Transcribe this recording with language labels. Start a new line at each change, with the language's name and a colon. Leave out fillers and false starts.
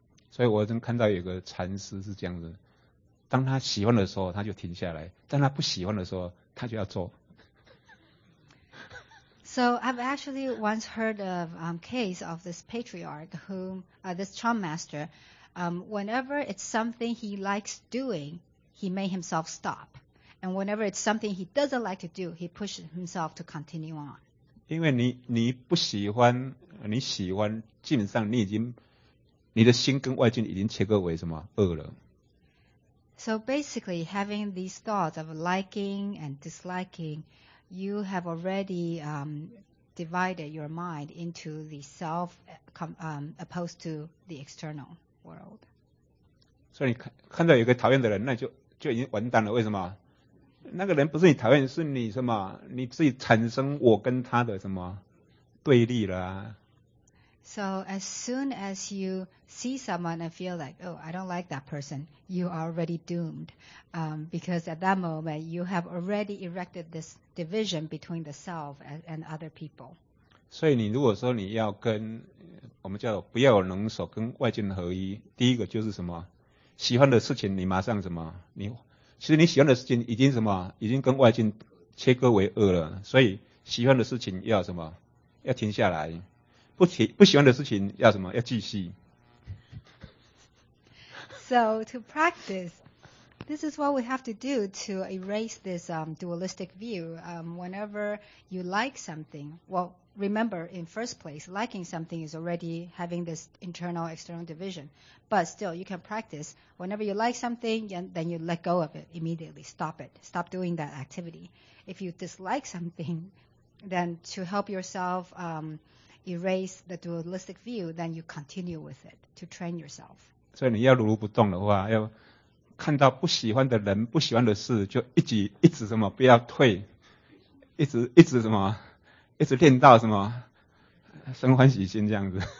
Chinese: 所以我曾看到有个禅师是这样子，当他喜欢的时候他就停下来，当他不喜欢的时候他就要做。
English: So I've actually once heard of case of this patriarch this chan master, whenever it's something he likes doing, he made himself stop. And whenever it's something he doesn't like to do, he pushes himself to continue on.
Chinese: 因为你不喜欢，你喜欢，基本上你的心跟外境已经切割为什么恶了。
English: So basically, having these thoughts of liking and disliking, you have already divided your mind into the self opposed to the external world.
Chinese: 所以你看到有个讨厌的人，那就已经完蛋了。为什么？那个人不是你讨厌，是你什么？你自己产生我跟他的什么对立了、啊。
English: So as soon as you see someone and feel like, oh, I don't like that person, you are already doomed, because at that moment you have already erected this division between the self and other people.
Chinese: 所以你如果说你要跟我们叫做不要有能手跟外境合一，第一个就是什么？喜欢的事情你马上什么？你。其实你喜欢的事情已经什么？已经跟外境切割为二了。所以喜欢的事情要什么？要停下来。不喜欢的事情要什么？要继续。
English: So to practice, this is what we have to do to erase this dualistic view. Whenever you like something, well, remember in first place, liking something is already having this internal external division. But still, you can practice. Whenever you like something, then you let go of it immediately. Stop it. Stop doing that activity. If you dislike something, then to help yourself erase the dualistic view, then you continue with it to train yourself.
Chinese: 所以你要如如不动的话，要看到不喜欢的人、不喜欢的事，就一直什么不要退，一直什么，一直练到什么生欢喜心这样子。